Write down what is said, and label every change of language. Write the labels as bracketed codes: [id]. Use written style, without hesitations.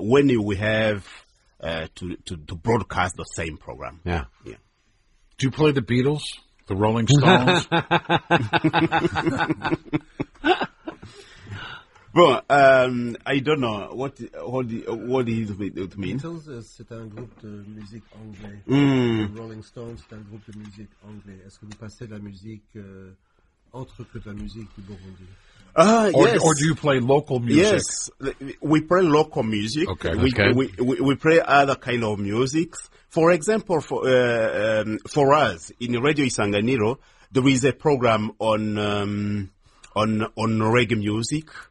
[en] When we have to broadcast the same program. Yeah. Yeah. Do you play the Beatles, the Rolling Stones? Well, I don't know what it means. [fr] Beatles, c'est un groupe de musique anglais. Mm. Rolling Stones, c'est un groupe de musique anglais. Est-ce que vous passez de la musique autre que de la musique du Burundi? [en] Yes. Or do you play local music? Yes, we play local music. Okay. We play other kind of music. For example, for us in Radio Isanganiro, there is a program on reggae music.